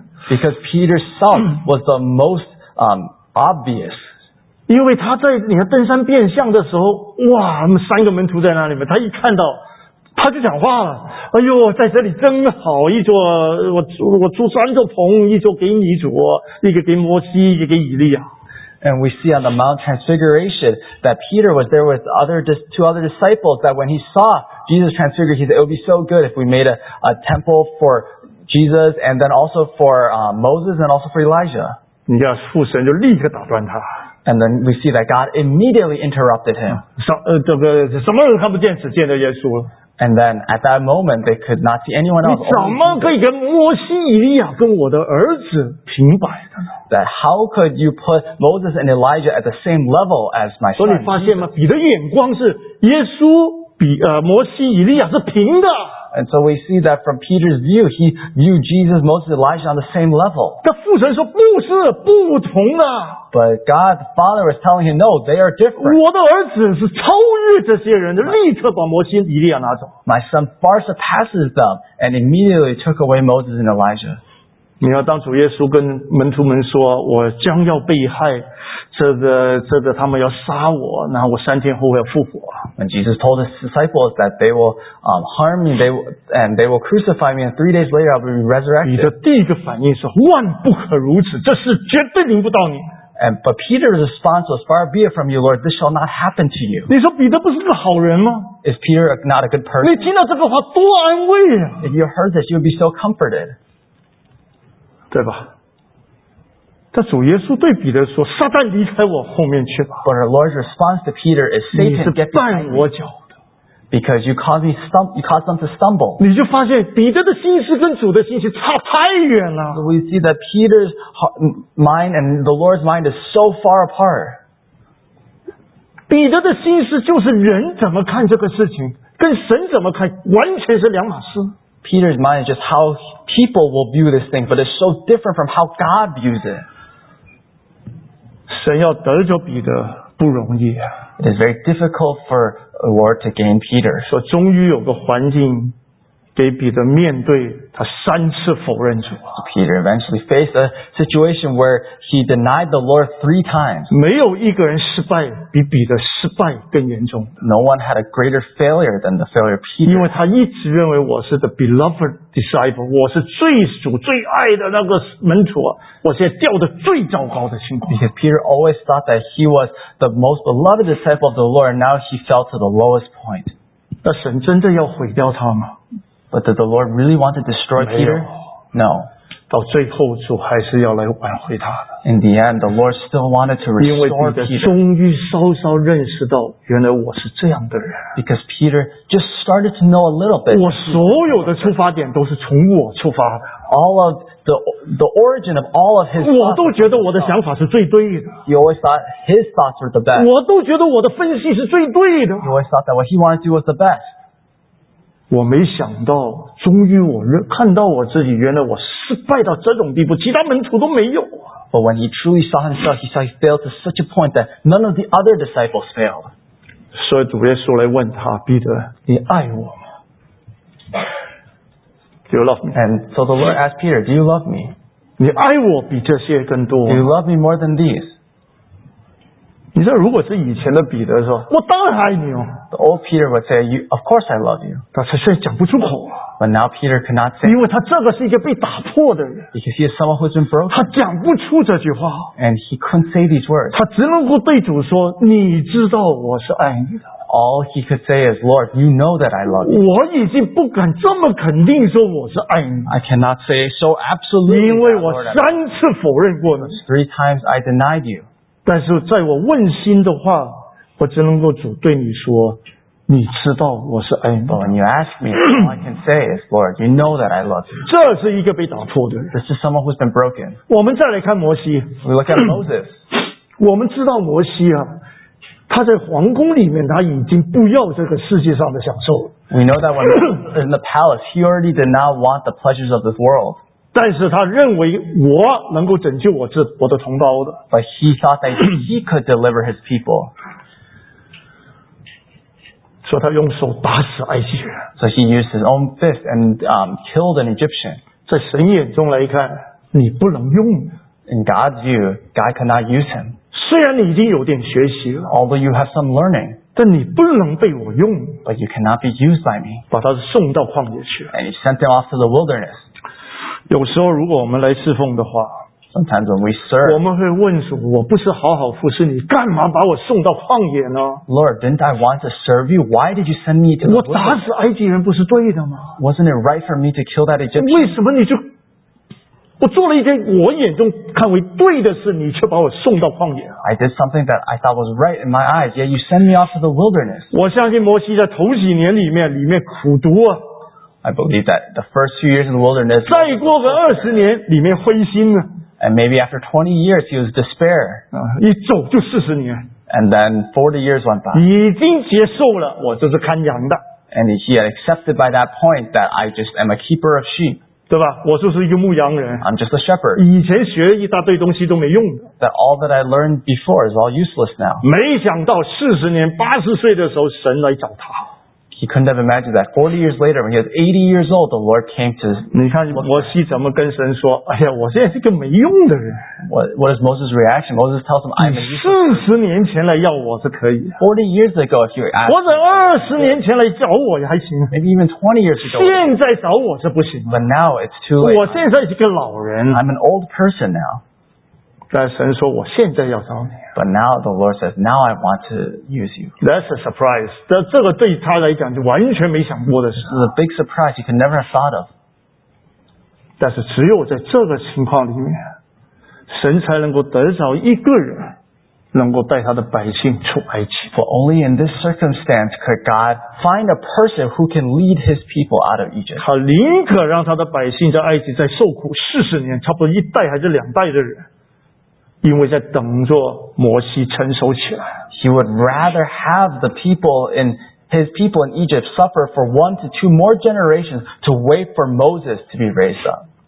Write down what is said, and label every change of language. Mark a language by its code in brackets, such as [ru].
[en] Because Peter's self was the most obvious. [zh] 因为他在你看登山变相的时候，哇，他们三个门徒在那里面，他一看到。他就讲话了，哎呦，在这里真好，一座我住三座棚，一座给你主，一个给摩西，一个给以利亚。 [en] And we see on the Mount Transfiguration that Peter was there with two other disciples. That when he saw Jesus transfigured, he said, "It would be so good if we made a temple for Jesus and then also for Moses and also for Elijah." [zh] 你看，父神就立刻打断他。 [en] And then we see that God immediately interrupted him. [zh] 什么人看不见，只见着耶稣了。 [en] And then at that moment, they could not see anyone else. [zh] 你怎么可以跟摩西、以利亚跟我的儿子平摆的呢？ [en] That how could you put Moses and Elijah at the same level as my son? [zh] 所以你发现吗？彼得眼光是耶稣比摩西、以利亚是平的。 [en] And so we see that from Peter's view, he viewed Jesus, Moses, Elijah on the same level. [zh] 但父神说不是不同的。 [en] But God's father was telling him, no, they are different. [zh] 我的儿子是超越这些人的，立刻把摩西、以利亚拿走。 [en] My son far surpasses them and immediately took away Moses and Elijah. [zh] 你要当主耶稣跟门徒们说，我将要被害。这个他们要杀我，然后我三天后要复活。 [en] And Jesus told his disciples that they will harm me, they will crucify me, and 3 days later I'll be resurrected. [zh] 彼得第一个反应是万不可如此，这事绝对临不到你。 [en] And but Peter's response was, far be it from you, Lord, this shall not happen to you. [zh] 你说彼得不是个好人吗？ [en] Is Peter not a good person? [zh] 你听到这个话多安慰啊！ [en] If you heard this, you'd be so comforted. [zh] 对吧？但主耶稣对彼得说：“撒旦离开我后面去吧。” [en] But our Lord's response to Peter is, "Satan, get behind me." [zh] 你是绊我脚的。 [en] Because you cause them to stumble. [zh] 你就发现彼得的心思跟主的心思差太远了。 [en] So we see that Peter's mind and the Lord's mind is so far apart. [zh] 彼得的心思就是人怎么看这个事情，跟神怎么看，完全是两码事。 [en] Peter's mind is just how people will view this thing, but it's so different from how God views it. [zh] 神要得着彼得不容易啊。 [en] It is very difficult for the Lord to gain Peter. [zh] 说终于有个环境给彼得面对他三次否认主啊。 [en] Peter eventually faced a situation where he denied the Lord three times. [zh] 没有一个人失败比彼得失败更严重。 [en] No one had a greater failure than the failure of Peter. [zh] 因为他一直认为我是 [en] the beloved disciple, [zh] 我是最主最爱的那个门徒，我现在掉的最糟糕的情况。 [en] Because Peter always thought that he was the most beloved disciple of the Lord, and now he fell to the lowest point. 那神真的要毁掉他吗？ But did the Lord really want to destroy Peter? No. [zh] 到最后主还是要来挽回他的。 [en] In the end, the Lord still wanted to restore Peter. [zh] 因为彼得终于稍稍认识到原来我是这样的人。 [en] Because Peter just started to know a little bit. [zh] 我所有的出发点都是从我出发的。 [en] All of the origin of all of his thoughts. [zh] 我都觉得我的想法是最对的。 [en] He always thought his thoughts were the best. [zh] 我都觉得我的分析是最对的。 [en] He always thought that what he wanted to do was the best. [zh] 我没想到终于我看到我自己原来我失败到这种地步其他门徒都没有、啊、 [en] But when he truly saw himself he saw he failed to such a point that none of the other disciples failed [zh] 所以主耶稣来问他彼得你爱我吗 [en] Do you love me? And so the Lord asked Peter Do you love me? [zh] 你爱我比这些更多 [en] Do you love me more than these? [zh] 你知道如果是以前的彼得说我当然爱你哦 [en] The old Peter would say, of course I love you. [zh] 但是现在讲不出口啊。 [en] But now Peter cannot say. [zh] 因为他这个是一个被打破的人。 [en] Because he is someone who's been broken. [zh] 他讲不出这句话。 [en] And he couldn't say these words. [zh] 他只能够对主说你知道我是爱你的。 [en] All he could say is, Lord, you know that I love you. [zh] 我已经不敢这么肯定说我是爱你。 [en] I cannot say so absolutely. [zh] 因为我三次否认过呢。 [en] Three times I denied you. [zh] 但是在我问心的话我只能够主对你说你知道我是爱你的 [en] But when you ask me all I can say is Lord you know that I love you [zh] 这是一个被打破的 [en] This is someone who's been broken [zh] 我们再来看摩西 [en] We look at Moses [zh] 我们知道摩西啊他在皇宫里面他已经不要这个世界上的享受 [en] We know that when he was in the palace he already did not want the pleasures of this world [zh] 但是他认为我能够拯救我的同胞的 [en] But he thought that he could deliver his people [zh] 说他用手打死埃及人。 [en] So he used his own fist and killed an Egyptian. [zh] 在神眼中来看，你不能用。 [en] In God's view, God cannot use him. [zh] 虽然你已经有点学习了。 [en] Although you have some learning. [zh] 但你不能被我用。 [en] But you cannot be used by me. [zh] 把他送到旷野去。 [en] And he sent him off to the wilderness. [zh] 有时候如果我们来侍奉的话。 [en] Sometimes when we serve, [zh] 我们会问主，我不是好好服侍你，干嘛把我送到旷野呢 [en] ？Lord, didn't I want to serve you? Why did you send me to the wilderness? [zh] 我打死埃及人不是对的吗 [en] ？Wasn't it right for me to kill that Egyptian? [zh] 为什么你就我做了一件我眼中看为对的事，你却把我送到旷野 [en] ？I did something that I thought was right in my eyes, yet you send me off to the wilderness. [zh] 我相信摩西在头几年里面苦读啊。 [en] I believe that the first few years in the wilderness. [zh] 再过个二十年，里面灰心了。 [en] And maybe after 20 years, he was despair. [zh] 一走就40年。 [en] And then 40 years went by. [zh] 已经接受了，我就是看羊的。 [en] And he had accepted by that point that I just am a keeper of sheep. [zh] 对吧？我就是一个牧羊人。 [en] I'm just a shepherd. [zh] 以前学一大堆东西都没用的。 [en] That all that I learned before is all useless now. [zh] 没想到40年80岁的时候神来找他。 [en] He couldn't have imagined that 40 years later when he was 80 years old the Lord came to [zh] 你看摩西怎么跟神说哎呀我现在是个没用的人 [en] What is Moses' reaction? Moses tells him I'm a useless [zh] 40年前来要我是可以 [en] 40 years ago if you were asking [zh] 或者20年前来找我也还行 [en] Maybe even 20 years ago [zh] 现在找我是不行 [en] But now it's too late [zh] 我现在是个老人 [en] I'm an old person now [zh] 但神说我现在要找你 [en] But now the Lord says, now I want to use you. That's a surprise. [zh] 这个对他来讲就完全没想过的事。 [en] It's a big surprise you can never have thought of. [zh] 但是只有在这个情况里面神才能够得着一个人能够带他的百姓出埃及。 [en] For only in this circumstance could God find a person who can lead his people out of Egypt. [zh] 他宁可让他的百姓在埃及再受苦40年差不多一代还是两代的人。因为在等着摩西成熟起来。 [en] He would rather have the people in his people in Egypt suffer for one to two more generations to wait for Moses to be raised up.